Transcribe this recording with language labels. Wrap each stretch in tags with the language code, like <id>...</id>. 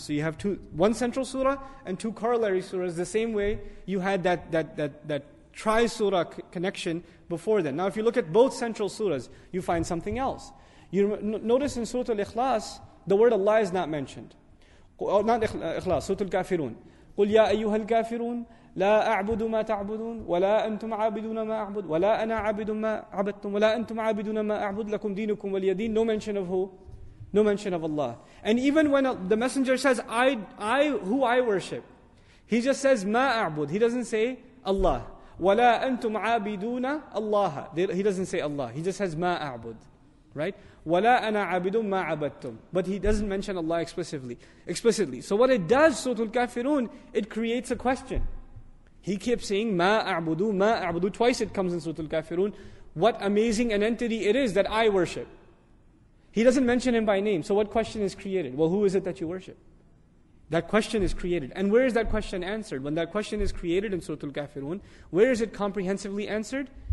<en>So you have one central surah and two corollary surahs, the same way you had that tri-surah connection before then. Now if you look at both central surahs, you find something else. You notice in Surah Al-Ikhlas, the word Allah is not mentioned. Not Ikhlas, Surah Al-Kafirun.</en> <ar>قُلْ يَا أَيُّهَا الْكَافِرُونَ لا أعبد ما تعبدون ولا أنتم عابدون ما أعبد ولا أنا عابد ما عبدتم ولا أنتم عابدون ما أعبد لكم دينكم واليدين.</ar> <en>No mention of who? No mention of Allah. And even when the Messenger says I who I worship, he just says</en> <ar>ما أعبد.</ar> <en>He doesn't say Allah.</en> <ar>ولا أنتم عابدون الله.</ar> <en>He doesn't say Allah. He just says</en> <ar>ما أعبد.</ar> <en>Right?</en> <ar>ولا أنا عابد ما عبدتم.</ar> <en>But he doesn't mention Allah explicitly. So what it does, Surah Al-Kafirun, it creates a question. He keeps saying,</en> <ar>مَا أَعْبُدُ مَا أَعْبُدُ.</ar> <en>Twice it comes in Surah Al-Kafirun. What amazing an entity it is that I worship. He doesn't mention him by name. So what question is created? Well, who is it that you worship? That question is created. And where is that question answered? When that question is created in Surah Al-Kafirun, where is it comprehensively answered?</en>